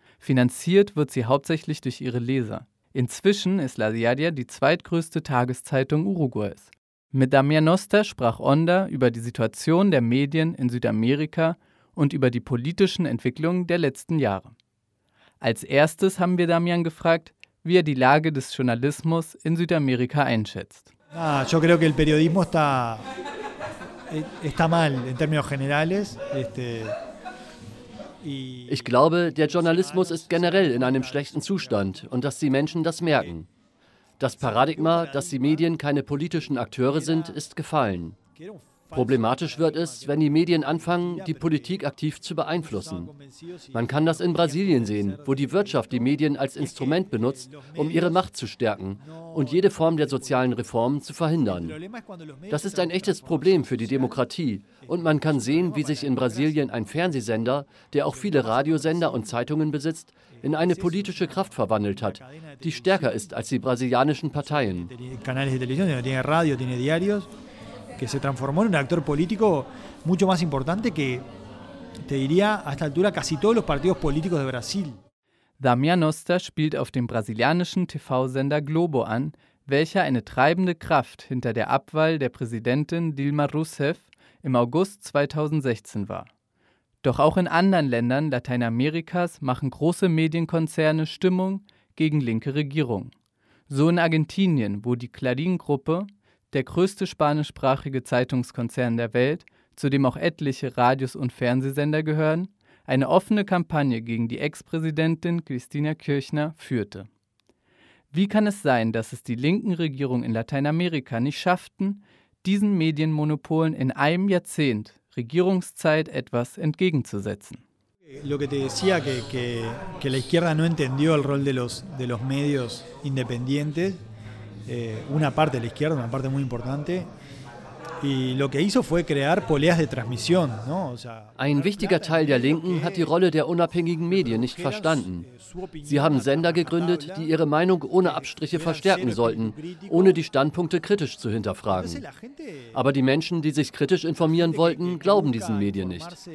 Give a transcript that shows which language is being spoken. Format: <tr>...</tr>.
<de>Finanziert wird sie hauptsächlich durch ihre Leser. Inzwischen ist La Diaria die zweitgrößte Tageszeitung Uruguays. Mit Damian Oster sprach Onda über die Situation der Medien in Südamerika und über die politischen Entwicklungen der letzten Jahre. Als erstes haben wir Damian gefragt, wie er die Lage des Journalismus in Südamerika einschätzt.</de> <es>Yo creo que el periodismo está mal en términos generales.</es> <de>Ich glaube, der Journalismus ist generell in einem schlechten Zustand und dass die Menschen das merken. Das Paradigma, dass die Medien keine politischen Akteure sind, ist gefallen. Problematisch wird es, wenn die Medien anfangen, die Politik aktiv zu beeinflussen. Man kann das in Brasilien sehen, wo die Wirtschaft die Medien als Instrument benutzt, um ihre Macht zu stärken und jede Form der sozialen Reformen zu verhindern. Das ist ein echtes Problem für die Demokratie. Und man kann sehen, wie sich in Brasilien ein Fernsehsender, der auch viele Radiosender und Zeitungen besitzt, in eine politische Kraft verwandelt hat, die stärker ist als die brasilianischen Parteien.</de> <es>Que se transformó en un actor político mucho más importante que, te diría, a esta altura casi todos los partidos políticos de Brasil.</es> <de>Damian Oster spielt auf dem brasilianischen TV-Sender Globo an, welcher eine treibende Kraft hinter der Abwahl der Präsidentin Dilma Rousseff im August 2016 war. Doch auch in anderen Ländern Lateinamerikas machen große Medienkonzerne Stimmung gegen linke Regierungen. So in Argentinien, wo die Clarín-Gruppe, der größte spanischsprachige Zeitungskonzern der Welt, zu dem auch etliche Radios und Fernsehsender gehören, eine offene Kampagne gegen die Ex-Präsidentin Cristina Kirchner führte. Wie kann es sein, dass es die linken Regierungen in Lateinamerika nicht schafften, diesen Medienmonopolen in einem Jahrzehnt Regierungszeit etwas entgegenzusetzen?</de> <es>Lo que te decía que la izquierda no entendió el rol de los medios independientes. Una parte de la izquierda, una parte muy importante, y lo que hizo fue crear poleas de transmisión, ¿no? O sea,</es> <de>ein wichtiger Teil der Linken hat die Rolle der unabhängigen Medien nicht verstanden. Sie haben Sender gegründet, die ihre Meinung ohne Abstriche verstärken sollten, ohne die Standpunkte kritisch zu hinterfragen. Aber die Menschen, die sich kritisch informieren wollten, glauben diesen Medien nicht.</de>